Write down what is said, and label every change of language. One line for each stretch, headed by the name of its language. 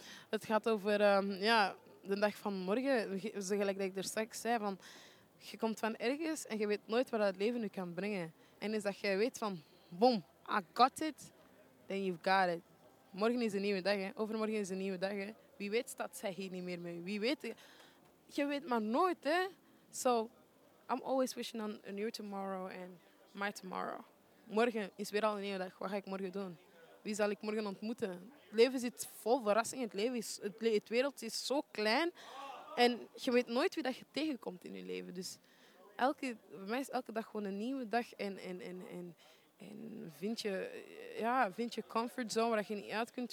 Dutch: Het gaat over de dag van morgen. Gelijk dat ik er straks zei, van, je komt van ergens en je weet nooit wat het leven je kan brengen. En is dat je weet van, boom,
English: I got it, then you've got it.
Dutch: Morgen is een nieuwe dag. Hè. Overmorgen is een nieuwe dag. Hè. Wie weet staat zij hier niet meer mee. Wie weet... Je weet maar nooit, hè.
English: So, I'm always wishing on a new tomorrow and my tomorrow.
Dutch: Morgen is weer al een nieuwe dag. Wat ga ik morgen doen? Wie zal ik morgen ontmoeten? Het leven zit vol verrassingen. Het wereld is zo klein. En je weet nooit wie dat je tegenkomt in je leven. Dus voor mij is elke dag gewoon een nieuwe dag. En vind je comfort zone waar je niet uit kunt.